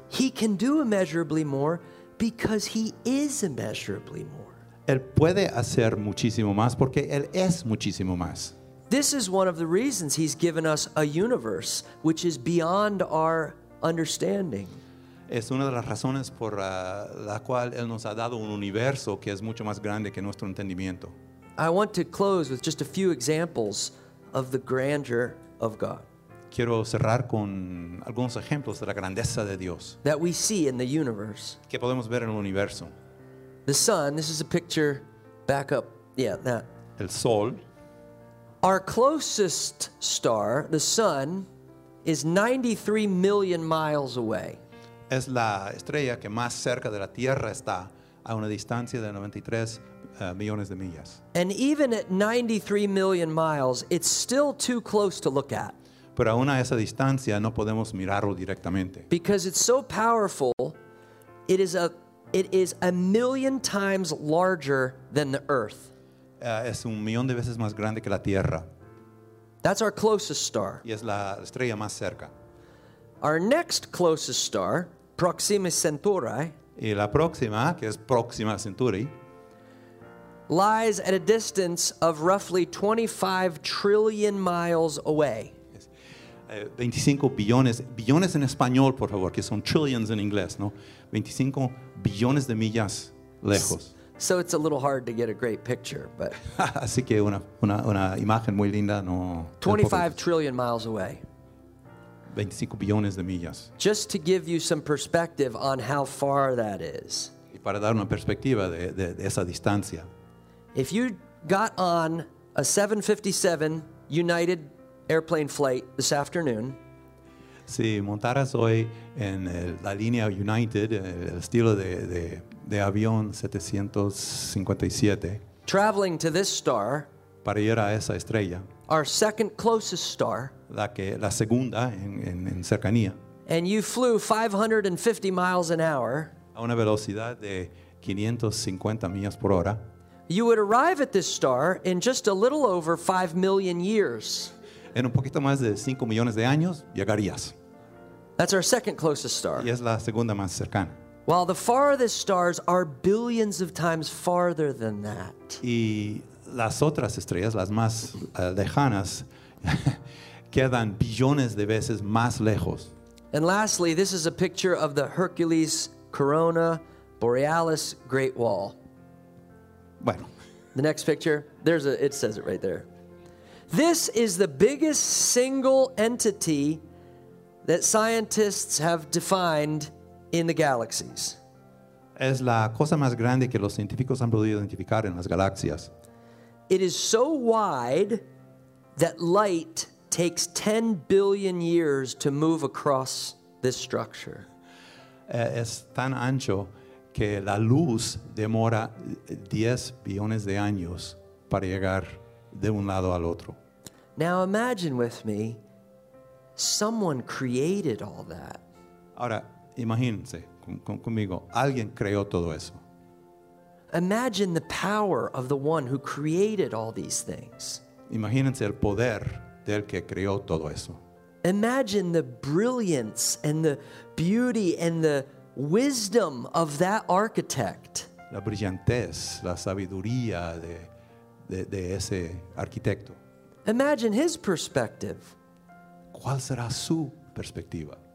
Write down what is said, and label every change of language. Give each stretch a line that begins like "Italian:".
English: He can do immeasurably more because he is immeasurably more.
Spanish: Él puede hacer muchísimo más porque él es muchísimo más.
English: This is one of the reasons he's given us a universe which is beyond our understanding.
Spanish: Es una de las razones por la cual él nos ha dado un universo que es mucho más grande que nuestro entendimiento.
English: I want to close with just a few examples of the grandeur of God.
Spanish: Quiero cerrar con algunos ejemplos de la grandeza de Dios.
English: That we see in the universe.
Spanish: Que podemos ver en el universo.
English: The sun, this is a picture back up. Yeah, that.
Spanish: El sol.
English: Our closest star, the sun, is 93 million miles away.
Spanish: Es la estrella que más cerca de la Tierra está, a una distancia de 93 millones de millas.
English: And even at 93 million miles, it's still too close to look at.
Spanish: Pero aún a esa distancia no podemos mirarlo directamente.
English: Because it's so powerful, it is a million times larger than the Earth.
Spanish: Es un millón de veces más grande que la Tierra.
English: That's our closest star.
Spanish: Y es la estrella más cerca.
English: Our next closest star, Proxima Centauri.
Spanish: Y la próxima, que es Proxima Centauri,
English: lies at a distance of roughly 25 trillion miles away.
Spanish: 25 billones en español, por favor, que son trillions en inglés, ¿no? 25 billones de millas lejos.
English: So it's a little hard to get a great picture, but
Spanish: así que una imagen muy linda no.
English: 25 trillion miles away.
Spanish: 25 billones de millas.
English: Just to give you some perspective on how far that is.
Spanish: Y para dar una perspectiva de esa distancia.
English: If you got on a 757 United airplane flight this afternoon.
Spanish: Si montaras hoy en la línea United, el estilo de avión 757.
English: Traveling to this star.
Spanish: Para ir a esa estrella.
English: Our second closest star.
Spanish: La segunda en cercanía.
English: And you flew 550 miles an hour.
Spanish: A una velocidad de 550 millas por hora.
English: You would arrive at this star in just a little over 5 million years.
Spanish: En un poquito más de 5 millones de años llegarías.
English: That's our second closest star.
Spanish: Y es la segunda más cercana.
English: While the farthest stars are billions of times farther than that.
Spanish: Y las otras estrellas, las más lejanas, quedan billones de veces más lejos.
English: And lastly, this is a picture of the Hercules Corona Borealis Great Wall.
Spanish: Bueno.
English: The next picture, there's a. It says it right there. This is the biggest single entity that scientists have defined in the galaxies.
Spanish: Es la cosa más grande que los científicos han podido identificar en las galaxias.
English: It is so wide that light takes 10 billion years to move across this structure.
Spanish: Es tan ancho que la luz demora 10 billones de años para llegar de un lado al otro.
English: Now imagine with me, someone created all that.
Spanish: Ahora, imagínense conmigo, alguien creó todo eso.
English: Imagine the power of the one who created all these things.
Spanish: Imagínense el poder del que creó todo eso.
English: Imagine the brilliance and the beauty and the wisdom of that architect.
Spanish: La brillantez, la sabiduría de ese arquitecto.
English: Imagine his perspective.
Spanish: ¿Cuál será su perspectiva?